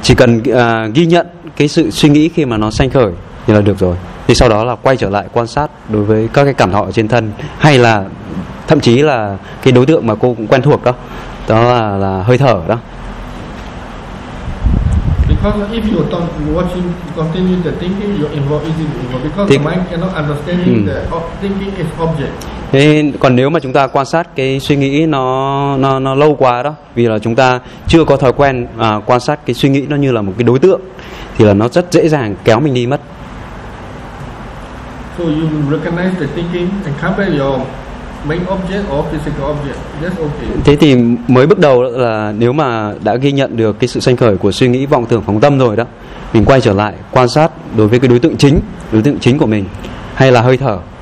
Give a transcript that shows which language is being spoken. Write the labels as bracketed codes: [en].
[vi] Chỉ cần ghi nhận cái sự suy nghĩ khi mà nó sanh khởi thì là được rồi. Thì sau đó là quay trở lại quan sát đối với các cái cảm thọ trên thân, hay là thậm chí là cái đối tượng mà cô cũng quen thuộc đó, đó là hơi thở đó. [en] Because if you don't watching continue the thinking, you're involved in it because the mind cannot understand that thinking is object. [vi] Thế còn nếu mà chúng ta quan sát cái suy nghĩ nó lâu quá đó, vì là chúng ta chưa có thói quen quan sát cái suy nghĩ nó như là một cái đối tượng, thì là nó rất dễ dàng kéo mình đi mất. [en] So you recognize the thinking and compare your main object or physical object. That's okay. [vi] Thế thì mới bước đầu là nếu mà đã ghi nhận được cái sự sanh khởi của suy nghĩ vọng tưởng phóng tâm rồi đó, mình quay trở lại quan sát đối với cái đối tượng chính của mình, hay là hơi thở.